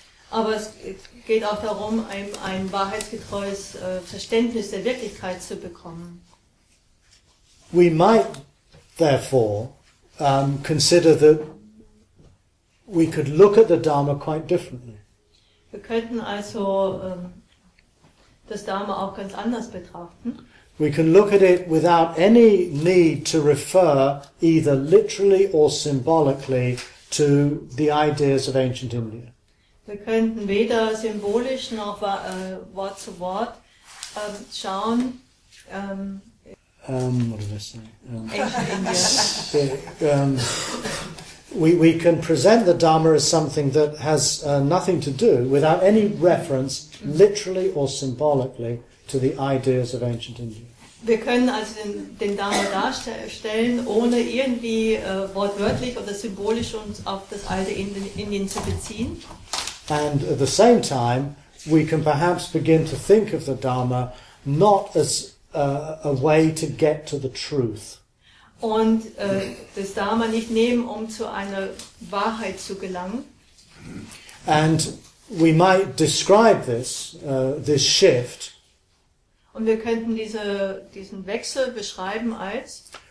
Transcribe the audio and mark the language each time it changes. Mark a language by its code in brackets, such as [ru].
[de] Aber es geht auch darum, ein wahrheitsgetreues Verständnis der Wirklichkeit zu bekommen. [en] We might therefore consider that we could look at the Dharma quite differently. [de] Wir könnten also das Dharma auch ganz anders betrachten. [en] We can look at it without any need to refer either literally or symbolically to the ideas of ancient India. [de] Wir könnten weder symbolisch noch Wort zu Wort schauen. [en] Ancient India. We can present the Dharma as something that has nothing to do, without any reference, literally or symbolically, to the ideas of ancient India. [de] Wir können also den Dharma darstellen, ohne irgendwie wortwörtlich oder symbolisch uns auf das alte Indien zu beziehen. [en] And at the same time, we can perhaps begin to think of the Dharma not as a way to get to the truth. [de] Und das Dharma nicht nehmen, um zu einer Wahrheit zu gelangen. [en] And we might describe this, this shift. [de] Und wir könnten diesen Wechsel beschreiben als